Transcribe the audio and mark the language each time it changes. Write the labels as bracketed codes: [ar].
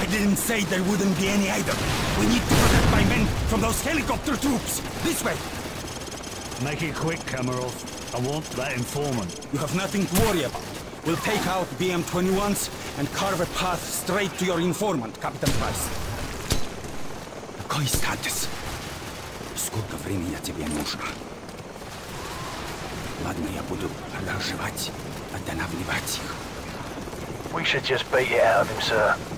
[en] I didn't say there wouldn't be any either. We need to protect my men from those helicopter troops. This way. Make it quick, Kamarov. I want that informant. You have nothing to worry about. We'll take out BM-21s and carve a path straight to your informant, Captain Price. [ru] Какой статус? Сколько времени я тебе нужна? Ладно, я буду продолжать останавливать их. [en] We should just beat it out of him, sir.